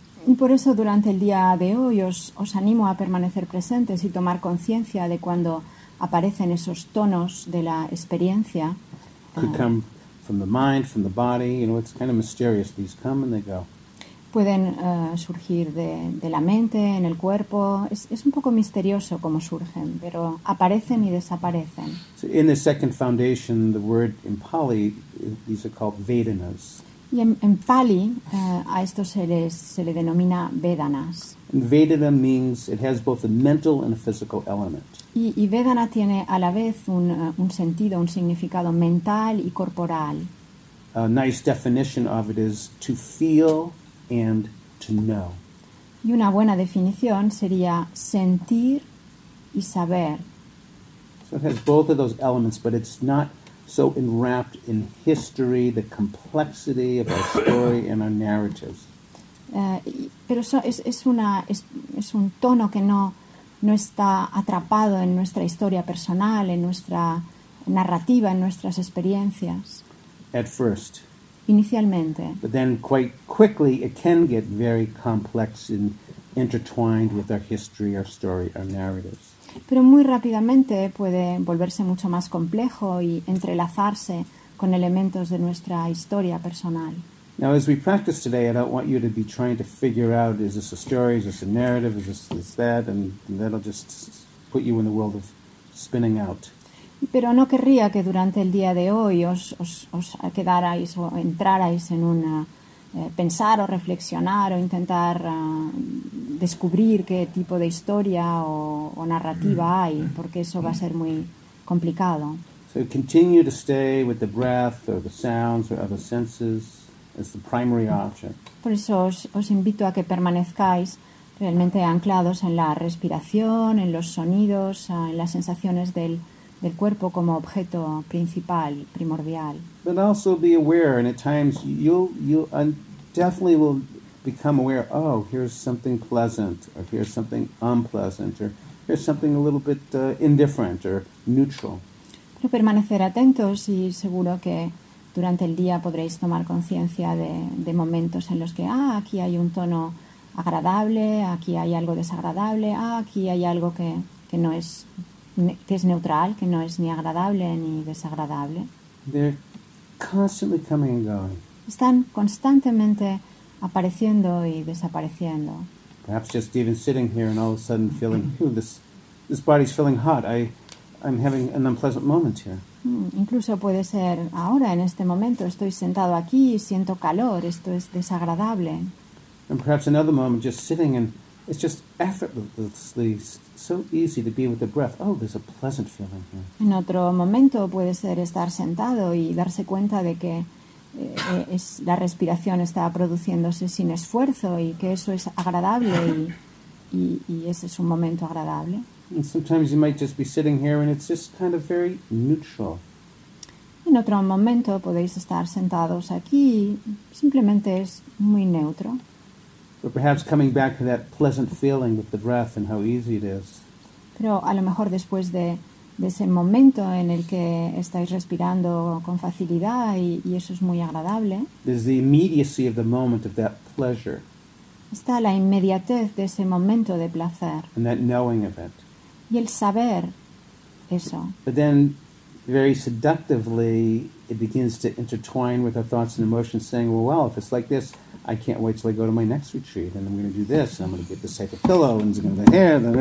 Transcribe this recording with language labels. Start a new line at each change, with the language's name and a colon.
Spanish: Y por eso durante el día de hoy os animo a permanecer presentes y tomar conciencia de cuando aparecen esos tonos de la experiencia.
English: Could come from the mind, from the body. You know, it's kind of mysterious. These come and they go.
Spanish: Pueden surgir de la mente, en el cuerpo. Es un poco misterioso cómo surgen, pero aparecen y desaparecen.
English: So in the second foundation, the word in Pali, these are called Vedanas.
Spanish: Y en Pali a esto se le denomina Vedanas.
English: And Vedana means it has both a mental and a physical element.
Spanish: Y Vedana tiene a la vez un sentido, un significado mental y corporal.
English: A nice definition of it is to feel and to know.
Spanish: Y una buena definición sería sentir y saber.
English: So it has both of those elements, but it's not so enwrapped in history, the complexity of our story and our narratives.
Spanish: Pero eso es un tono que no está atrapado en nuestra historia personal, en nuestra narrativa, en nuestras experiencias.
English: At first.
Spanish: Inicialmente.
English: But then quite quickly it can get very complex and intertwined with our history, our story, our narratives.
Spanish: Pero muy rápidamente puede volverse mucho más complejo y entrelazarse con elementos de nuestra historia personal.
English: Now, as we practice today, I don't want you to be trying to figure out, is this a story, is this a narrative, is this that, and that'll just put you in the world of spinning out.
Spanish: Pero no querría que durante el día de hoy os quedarais o entrarais en una pensar o reflexionar o intentar descubrir qué tipo de historia o narrativa hay, porque eso va a ser muy complicado.
English: So continue to stay with the breath or the sounds or other senses as the primary object.
Spanish: Por eso os invito a que permanezcáis realmente anclados en la respiración, en los sonidos, en las sensaciones del cuerpo como objeto principal, primordial.
English: But also be aware, and at times you'll definitely will become aware, oh, here's something pleasant, or here's something unpleasant, or here's something a little bit indifferent or neutral.
Spanish: Pero permanecer atentos y seguro que durante el día podréis tomar conciencia de momentos en los que, ah, aquí hay un tono agradable, aquí hay algo desagradable, ah, aquí hay algo que es neutral, que no es ni agradable ni desagradable.
English: They're constantly coming and going.
Spanish: Están constantemente apareciendo y desapareciendo.
English: Perhaps just even sitting here and all of a sudden feeling, this body's feeling hot. I'm having an unpleasant moment here.
Spanish: Incluso puede ser ahora, en este momento, estoy sentado aquí y siento calor. Esto es desagradable.
English: And perhaps another moment, just sitting and it's just effortlessly so easy to be with the breath. Oh, there's a pleasant feeling here.
Spanish: En otro momento puede ser estar sentado y darse cuenta de que la respiración está produciéndose sin esfuerzo y que eso es agradable y ese es un momento agradable.
English: And sometimes you might just be sitting here and it's just kind of very neutral.
Spanish: En otro momento podéis estar sentados aquí y simplemente es muy neutro.
English: But perhaps coming back to that pleasant feeling with the breath and how easy it is.
Spanish: Pero a lo mejor después de ese momento en el que estáis respirando con facilidad y eso es muy agradable.
English: There's the immediacy of the moment of that pleasure.
Spanish: Está la inmediatez de ese momento de placer.
English: And that knowing of it.
Spanish: Y el saber eso.
English: But then, very seductively, it begins to intertwine with our thoughts and emotions, saying, well, if it's like this, I can't wait till I go to my next retreat, and I'm going to do this, and I'm going to get this type of pillow, and it's going to be here,